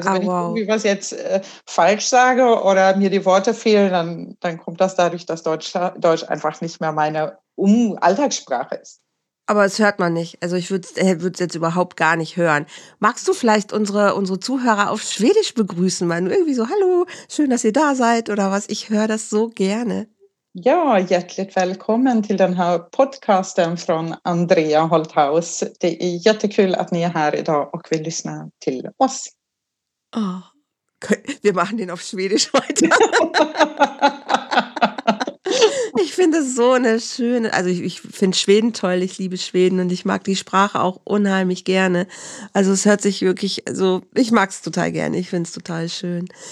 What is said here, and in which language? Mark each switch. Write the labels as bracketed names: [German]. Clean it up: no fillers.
[German] Also wenn ich irgendwie was jetzt falsch sage oder mir die Worte fehlen, dann kommt das dadurch, dass Deutsch einfach nicht mehr meine Alltagssprache ist. Aber es hört man nicht. Also ich würde es jetzt überhaupt gar nicht hören. Magst du vielleicht unsere Zuhörer auf Schwedisch begrüßen? Mal nur irgendwie so, hallo, schön, dass ihr da seid oder was? Ich höre das so gerne. [Swedish] Ja, hjärtligt välkommen till den här podcasten från Andrea Holthaus. Det är jättekul att ni är här idag och vill lyssna till oss. [German] Wir machen den auf Schwedisch heute. Ich finde es so eine schöne, also ich finde Schweden toll, ich liebe Schweden und ich mag die Sprache auch unheimlich gerne. Also es hört sich wirklich, also ich mag es total gerne, ich finde es total schön.